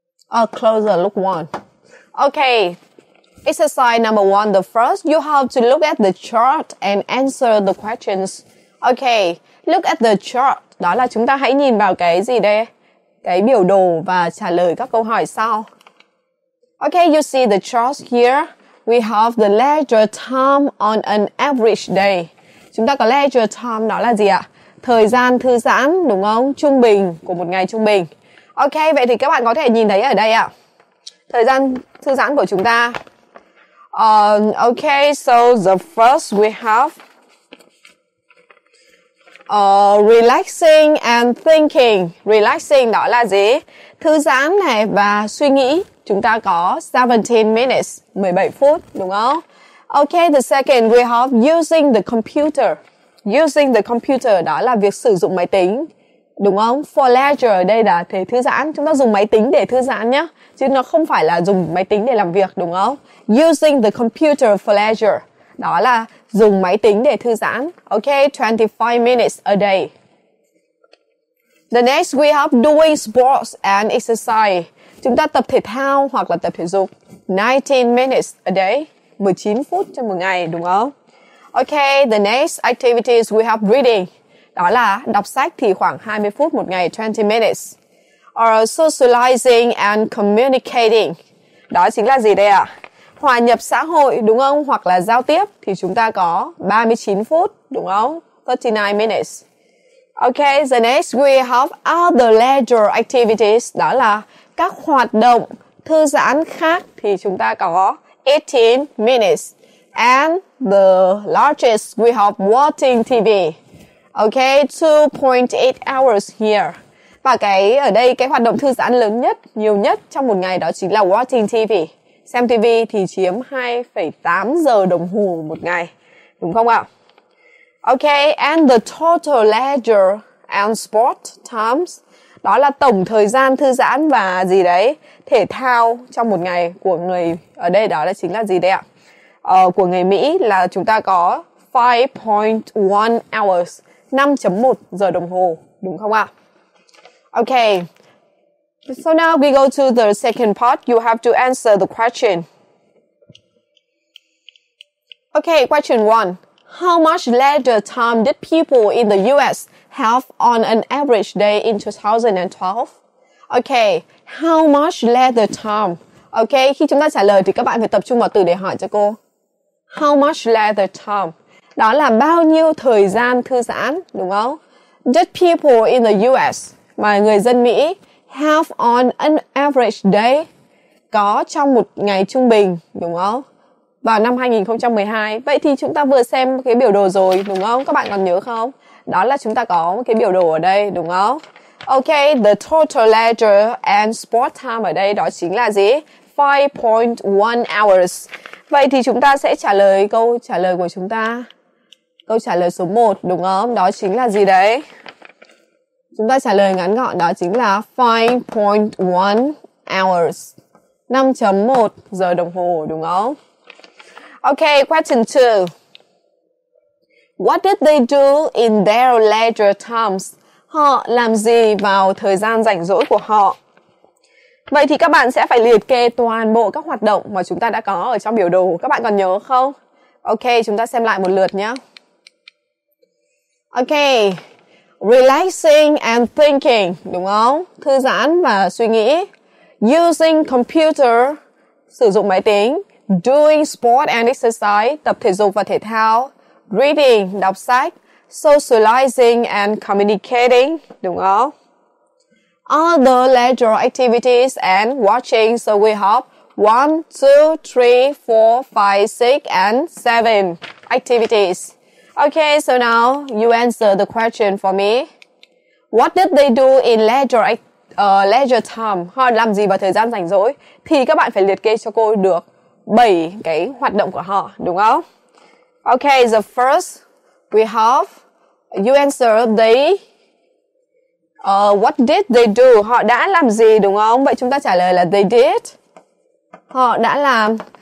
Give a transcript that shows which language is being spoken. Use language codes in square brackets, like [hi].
[en] A closer look one. Okay. Exercise number one. The first, you have to look at the chart and answer the questions. Okay. Look at the chart. [vi] Đó là chúng ta hãy nhìn vào cái gì đây? Cái biểu đồ và trả lời các câu hỏi sau. [en] Okay, you see the chart here. We have the leisure time on an average day. [vi] Chúng ta có leisure time, đó là gì ạ? Thời gian thư giãn, đúng không? Trung bình, của một ngày trung bình. Okay, vậy thì các bạn có thể nhìn thấy ở đây ạ. Thời gian thư giãn của chúng ta. [en] Okay, so the first we have relaxing and thinking. [vi] Relaxing, đó là gì? Thư giãn này và suy nghĩ. Chúng ta có [en] 17 minutes, [vi] 17 phút, đúng không? [en] Okay, the second, we have using the computer. Using the computer, [vi] đó là việc sử dụng máy tính, đúng không? For leisure, đây là thế thư giãn. Chúng ta dùng máy tính để thư giãn nhé. Chứ nó không phải là dùng máy tính để làm việc, đúng không? [en] Using the computer for leisure, [vi] đó là dùng máy tính để thư giãn. [en] Okay, 25 minutes a day. The next, we have doing sports and exercise. [vi] Chúng ta tập thể thao hoặc là tập thể dục. [en] 19 minutes a day. [vi] 19 phút trong một ngày, đúng không? [en] Okay, the next activity is we have reading. [vi] Đó là đọc sách thì khoảng 20 phút một ngày, [en] 20 minutes. Or socializing and communicating. [vi] Đó chính là gì đây ạ? Hòa nhập xã hội, đúng không? Hoặc là giao tiếp thì chúng ta có 39 phút, đúng không? [en] 39 minutes. Okay, the next we have other leisure activities. [vi] Đó là các hoạt động thư giãn khác thì chúng ta có [en] 18 minutes. And the largest, we have watching TV. Okay, 2.8 hours here. [vi] Và cái ở đây, cái hoạt động thư giãn lớn nhất, nhiều nhất trong một ngày đó chính là [en] watching TV. [vi] Xem TV thì chiếm 2.8 giờ đồng hồ một ngày. Đúng không ạ? [en] Okay, and the total leisure and sport times. [vi] Đó là tổng thời gian thư giãn và gì đấy, thể thao trong một ngày của người ở đây, đó là chính là gì đấy ạ? Của người Mỹ là chúng ta có [en] 5.1 hours, [vi] 5.1 giờ đồng hồ, đúng không ạ? [en] Okay, so now we go to the second part. You have to answer the question. Okay, question 1. How much leisure time did people in the US have on an average day in 2012? Okay, how much leisure time? [vi] Okay, khi chúng ta trả lời thì các bạn phải tập trung vào từ để hỏi cho cô. [en] How much leisure time? [vi] Đó là bao nhiêu thời gian thư giãn, đúng không? [en] Did people in the US, [vi] mà người dân Mỹ, [en] have on an average day, [vi] có trong một ngày trung bình, đúng không? Vào năm 2012. Vậy thì chúng ta vừa xem cái biểu đồ rồi, đúng không? Các bạn còn nhớ không? Đó là chúng ta có cái biểu đồ ở đây, đúng không? Okay, [en] the total leisure and sport time [vi] ở đây đó chính là gì? [en] 5.1 hours. [vi] Vậy thì chúng ta sẽ trả lời câu trả lời của chúng ta. Câu trả lời số 1, đúng không? Đó chính là gì đấy? Chúng ta trả lời ngắn gọn đó chính là [en] 5.1 hours. [vi] 5.1 giờ đồng hồ, đúng không? [en] Okay, question 2. What did they do in their leisure times? [vi] Họ làm gì vào thời gian rảnh rỗi của họ? Vậy thì các bạn sẽ phải liệt kê toàn bộ các hoạt động mà chúng ta đã có ở trong biểu đồ. Các bạn còn nhớ không? Okay, chúng ta xem lại một lượt nhé. Okay, [en] relaxing and thinking, [vi] đúng không? Thư giãn và suy nghĩ. [en] Using computer, [vi] sử dụng máy tính. [en] Doing sport and exercise, [vi] tập thể dục và thể thao. Reading, đọc sách. [en] Socializing and communicating, [vi] đúng không? [en] Other leisure activities and watching. So we have 1, 2, 3, 4, 5, 6 and 7 activities. Okay, so now you answer the question for me. What did they do in leisure time? [vi] Họ làm gì vào thời gian rảnh rỗi? Thì các bạn phải liệt kê cho cô được 7 cái hoạt động của họ, đúng không? [en] Okay, the first we have, you answer they, what did they do? [vi] Họ đã làm gì, đúng không? Vậy chúng ta trả lời là [en] they did. [vi] họ đã làm.